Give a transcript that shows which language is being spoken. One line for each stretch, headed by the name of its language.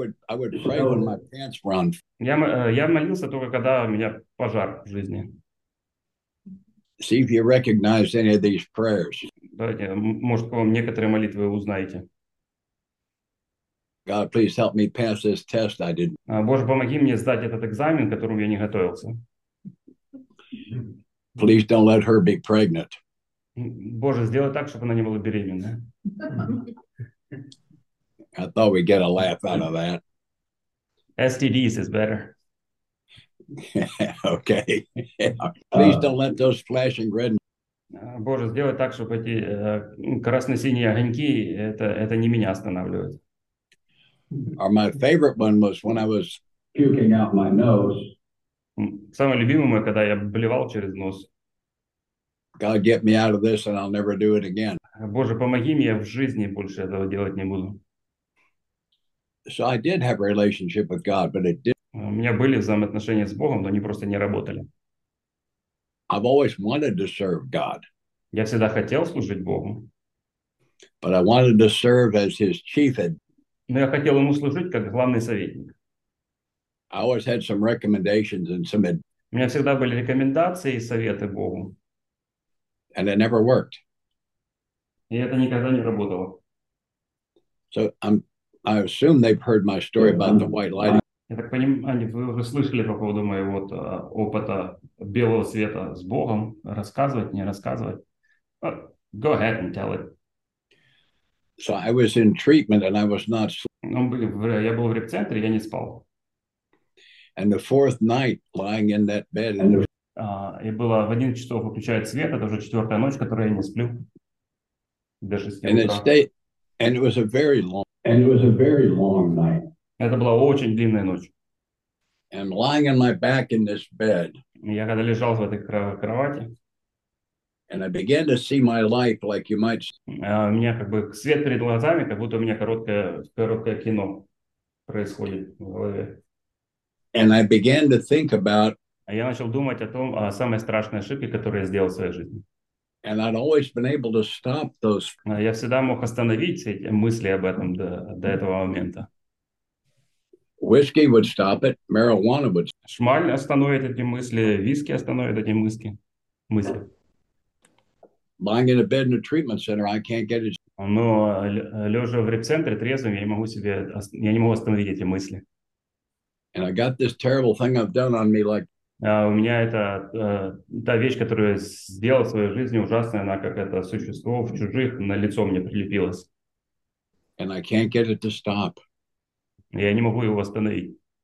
English: I would pray when my pants were on.
Russian: Я молился только когда у меня пожар в жизни.
English: See if you recognize any of these prayers.
Russian: Давайте, может, вам некоторые молитвы узнаете.
English: God, please help me pass this test I didn't.
Russian: Боже, помоги мне сдать этот экзамен, к которому я не готовился.
English: Please don't let her be pregnant.
Russian: Боже, сделай так, чтобы она не была беременная.
English: I thought we'd get a laugh out of that. STDs is better. Okay. Please don't let those flashing red.
Russian: Боже, сделай так, чтобы эти красно-синие огоньки это не меня останавливают.
English: Or my favorite one was when I was puking out my nose.
Russian: Самое любимое мое, когда я блевал через нос.
English: God, get me out of this and I'll never do it again.
Russian: Боже, помоги мне, я в жизни больше этого делать не буду.
English: So I did have a relationship with God, but it didn't.
Russian: У меня были взаимоотношения с Богом, но они просто не работали.
English: I've always wanted to serve God.
Russian: Я всегда хотел служить Богу.
English: But I wanted to serve as his chief.
Russian: Но я хотел ему служить как главный советник.
English: I always had some recommendations and some.
Russian: У меня всегда были рекомендации и советы Богу.
English: And it never worked.
Russian: И это никогда не работало.
English: So I assume they've heard my story about the white light.
Russian: Я так понимаю, вы уже слышали по поводу моего опыта белого света с Богом. Рассказывать, не рассказывать.
English: Go ahead and tell it. So I was in treatment and I was not.
Russian: Я был в реабцентре, я не спал.
English: And the fourth night, lying in that bed.
Russian: И было в 11 часов выключает свет, это уже четвертая ночь, которую я не сплю.
English: And it was a very long night.
Russian: Это была очень длинная ночь.
English: And lying on my back in this bed.
Russian: Я когда лежал в этой кровати.
English: And I began to see my life like you might.
Russian: У меня как бы свет перед глазами, как будто у меня короткое кино происходит в голове.
English: And I began to think about.
Russian: А я начал думать о том, о самой страшной ошибке, которую я сделал в своей жизни.
English: And I'd always been able to stop those.
Russian: Я всегда мог остановить эти мысли об этом до этого момента.
English: Whiskey would stop it. Marijuana would.
Russian: Шмаль остановит эти мысли. Виски остановит эти мысли.
English: Lying in a bed in a treatment center, I can't get it.
Russian: Но лежа в реп-центре трезвым, я не могу остановить эти мысли.
English: And I got this terrible thing I've done on me, like.
Russian: У меня это та вещь, которую я сделал в своей жизни, ужасная, она как это существо в чужих на лицо мне прилепилась.
English: And I can't get it to stop.
Russian: Я не могу его остановить.